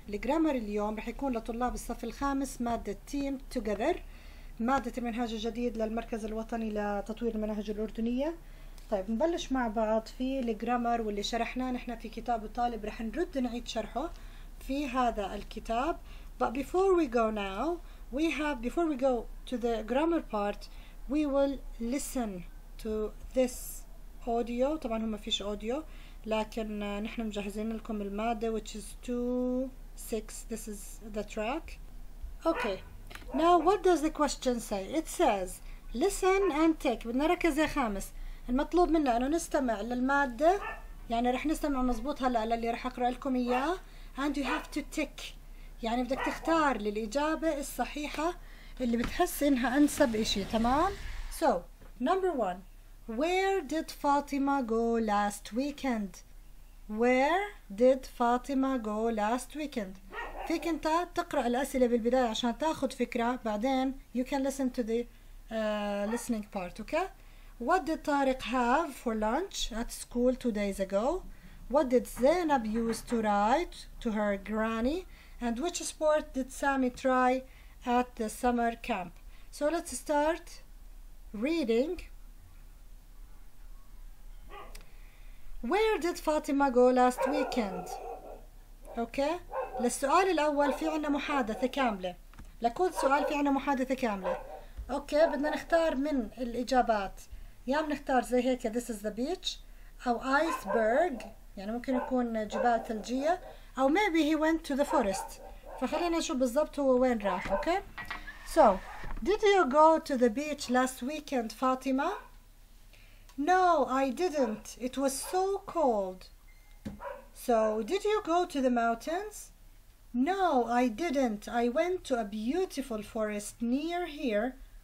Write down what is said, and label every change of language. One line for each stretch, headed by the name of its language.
Arabic: الجرامر اليوم رح يكون لطلاب الصف الخامس، مادة تيم توجذر، مادة المنهج الجديد للمركز الوطني لتطوير المناهج الأردنية. طيب نبلش مع بعض في الجرامر، واللي شرحناه نحن في كتاب الطالب رح نرد نعيد شرحه في هذا الكتاب.
English: But before we go now, we have before we go to the grammar part, we will listen to this audio.
Arabic: طبعا هم ما فيش audio، لكن نحن مجهزين لكم المادة
English: which is 2-6. This is the track. Okay. Now what does the question say? It says listen and take.
Arabic: بدنا ركز يا خامس. المطلوب منا انه نستمع للمادة، يعني رح نستمع مزبوط هلا للي رح اقرأ لكم اياه.
English: And you have to tick،
Arabic: يعني بدك تختار للإجابة الصحيحة اللي بتحس انها انسب اشي.
English: تمام؟ So number one, where did Fatima go last weekend? Where did Fatima go last weekend?
Arabic: فيك انت تقرأ الأسئلة بالبداية عشان تاخد فكرة، بعدين
English: you can listen to the listening part. Okay? What did Tariq have for lunch at school 2 days ago? What did Zainab use to write to her granny? And which sport did Sami try at the summer camp? So let's start reading. Where did Fatima go last weekend? Okay.
Arabic: للسؤال الأول في عنا محادثة كاملة. لكل سؤال في عنا محادثة كاملة. Okay. بدنا نختار من الإجابات. يا بنختار زي هيك
English: this is the beach
Arabic: أو iceberg، يعني ممكن يكون جبال ثلجية، أو
English: maybe he went to the forest.
Arabic: فخلينا نشوف بالضبط هو وين راح.
English: Okay. So did you go to the beach last weekend, Fatima? No, I didn't. It was so cold. So, did you go to the mountains? No, I didn't. I went to a beautiful forest near here.